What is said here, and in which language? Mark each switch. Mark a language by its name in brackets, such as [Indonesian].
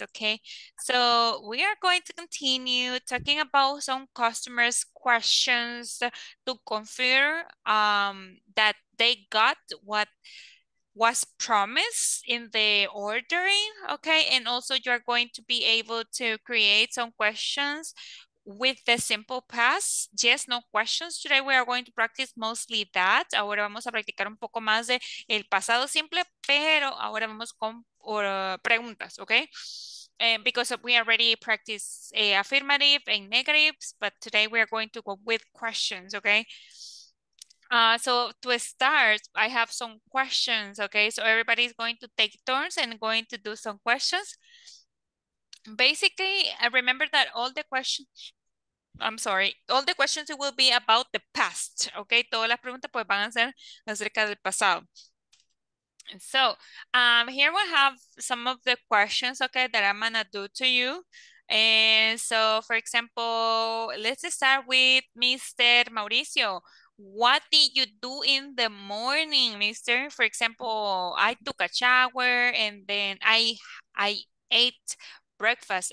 [English] Okay, so we are going to continue talking about some customers' questions to confirm that they got what was promised in the ordering. Okay, and also you are going to be able to create some questions with the simple past, yes, no questions. Today we are going to practice mostly that. [Spanish] Ahora vamos a practicar un poco más de el pasado simple, pero ahora vamos con preguntas, okay? [English] Because we already practiced affirmative and negatives, but today we are going to go with questions, okay? So to start, I have some questions, okay? So everybody's going to take turns and going to do some questions. Basically, I remember that all the questions, I'm sorry, all the questions will be about the past, okay? [Spanish] Todas las preguntas pues van a ser acerca del pasado. [English] So here we have some of the questions, okay, that I'm gonna do to you. And so, for example, let's start with Mr. Mauricio. What did you do in the morning, mister? For example, I took a shower and then I ate breakfast.